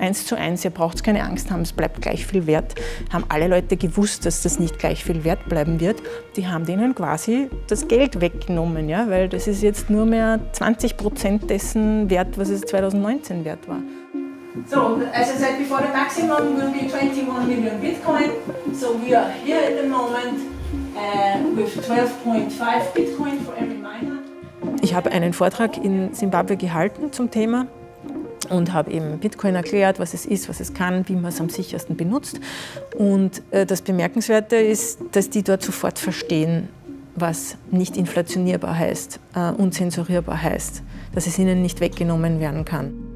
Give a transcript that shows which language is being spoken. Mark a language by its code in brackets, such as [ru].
[de] 1:1, ihr braucht keine Angst haben, es bleibt gleich viel wert. Haben alle Leute gewusst, dass das nicht gleich viel wert bleiben wird. Die haben denen quasi das Geld weggenommen, ja? Weil das ist jetzt nur mehr 20% dessen wert, was es 2019 wert war. [en] So, as I said before, the maximum will be 21 million Bitcoin. So we are here at the moment with 12.5 Bitcoin for every miner. [de] Ich habe einen Vortrag in Zimbabwe gehalten zum Thema und habe eben Bitcoin erklärt, was es ist, was es kann, wie man es am sichersten benutzt. Und das Bemerkenswerte ist, dass die dort sofort verstehen, was nicht inflationierbar heißt, unzensurierbar heißt, dass es ihnen nicht weggenommen werden kann.